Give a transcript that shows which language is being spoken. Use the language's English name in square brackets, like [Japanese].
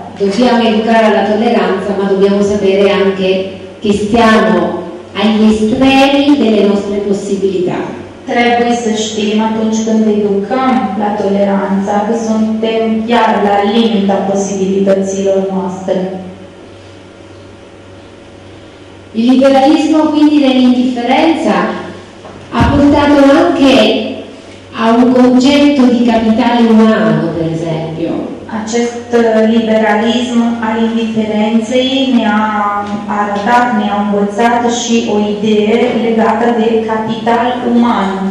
[Italian] Dobbiamo educare alla tolleranza, ma dobbiamo sapere anche che stiamo agli estremi delle nostre possibilità. [Romanian] trebuie să știm atunci când educăm la toleranța că suntem chiar la limita posibilităților noastre. [Italian] Il liberalismo, quindi, dell'indifferenza ha portato anche a un concetto di capitale umano, per esempio. [Romanian] Acest liberalism al indiferenței ne-a arătat, ne-a învățat și o idee legată de capital uman.